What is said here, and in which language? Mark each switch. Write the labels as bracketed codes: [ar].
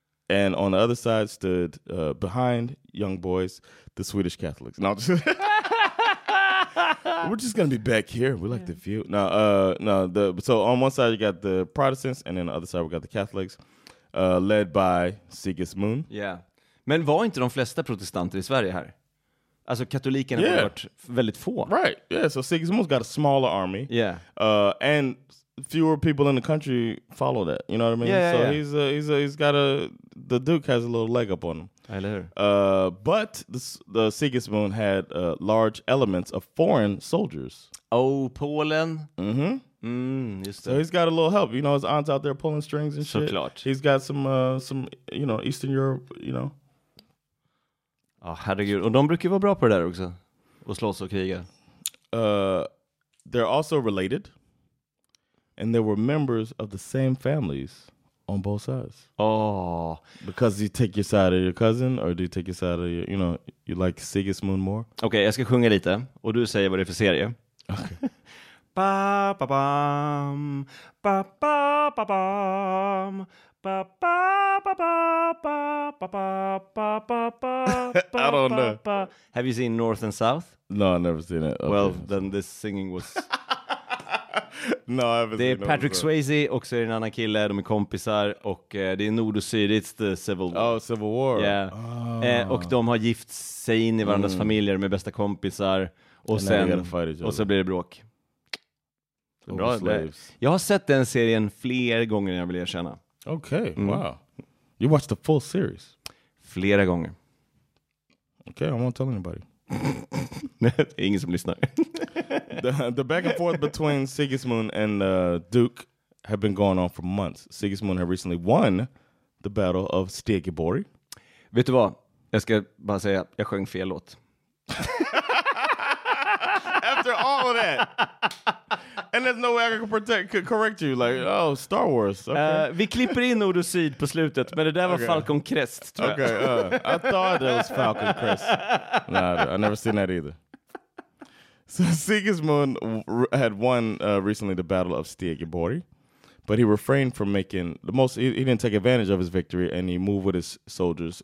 [en] And on the other side stood, behind young boys, the Swedish Catholics. No, just... We're just going to be back here. We like the view. So on one side, you got the Protestants, and then on the other side, we got the Catholics, led by Sigismund. Yeah. [sv] Men var inte de flesta protestanter i Sverige här? Alltså, katolikerna har varit väldigt få. [en] Right. Yeah, so Sigismund's got a smaller army. Yeah. And fewer people in the country follow that. You know what I mean? Yeah, so yeah. The Duke has a little leg up on him. I know. But the Sigismund had large elements of foreign soldiers. [sv] Oh, Polen. Mm-hmm. [en] So he's got a little help. You know, his aunt's out there pulling strings and shit. [sv] Såklart. [en] He's got some you know, Eastern Europe, you know. [sv] Ja, oh, herregud. Och de brukar vara bra på det där också. Och slåss och kriga. [en] They're also related. And they were members of the same families on both sides. Oh. Because you take your side of your cousin or do you take your side of your, you know, you like Sigismund more? [sv] Okej, okay, jag ska sjunga lite. Och du säger vad det är för serie. Okej. Okay. Ba ba bam, ba ba ba bam, ba ba ba ba ba ba ba ba ba ba ba. [en] I don't know. Have you seen North and South? No, I've never seen it. Okay. Well, then this singing was. No, I haven't. [sv] Det [en] seen [sv] är Patrick Swayze och så är det en annan kille. De är kompisar och det är Nord och Syd. [en] It's the Civil War. Oh, Civil War. Yeah. Oh. [sv] Och de har gift sig in i varandras familjer med bästa kompisar och sen blir det bråk. Bra, jag har sett den serien fler gånger än jag vill erkänna. Okej, okay, wow. [en] You watched the full series? [sv] Flera gånger. [en] Okej, okay, I won't tell anybody. [sv] Ingen som lyssnar. [en] The back and forth between Sigismund and Duke have been going on for months. Sigismund had recently won the battle of Stegeborg. [sv] Vet du vad? Jag ska bara säga att jag sjöng fel låt. [en] After all of that. And there's no way I can correct you. Like, oh, Star Wars. Okay. [sv] Vi klipper in Nord och Syd på slutet, men det där var okay. Falcon Crest, tror jag. [en] Okay, I thought that was Falcon Crest. No, I never seen that either. So Sigismund had won recently the Battle of Stegeborg, but he refrained from making the most. He didn't take advantage of his victory, and he moved with his soldiers.